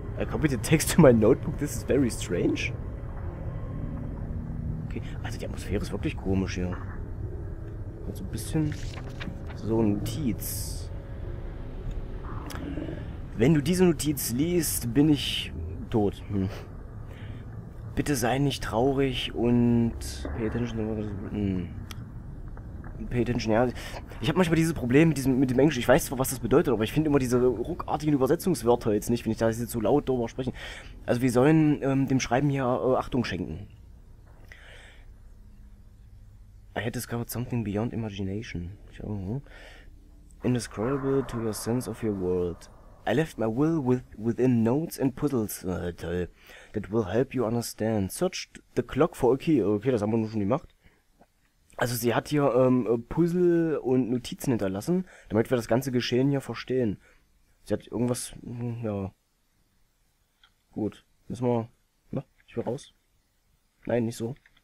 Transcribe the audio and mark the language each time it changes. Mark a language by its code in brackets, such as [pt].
[en] I copied the text to my notebook, this is very strange? [de] Okay, also die Atmosphäre ist wirklich komisch hier. So ein bisschen... So, Notiz. Wenn du diese Notiz liest, bin ich tot. Bitte sei nicht traurig und [en] pay attention. Pay attention, [de] ja. Ich habe manchmal dieses Problem mit dem Englisch. Ich weiß zwar, was das bedeutet, aber ich finde immer diese ruckartigen Übersetzungswörter jetzt nicht, wenn ich da jetzt so laut drüber spreche. Also wir sollen dem Schreiben hier Achtung schenken. [en] I had discovered something beyond imagination. Indescribable to your sense of your world. I left my will within notes and puzzles that will help you understand. Search the clock for a key. [de] Okay, das haben wir nun schon gemacht. Also sie hat hier Puzzle und Notizen hinterlassen, damit wir das ganze Geschehen hier verstehen. Sie hat irgendwas, ja. Gut, müssen wir, na, ich will raus. Nein, nicht so.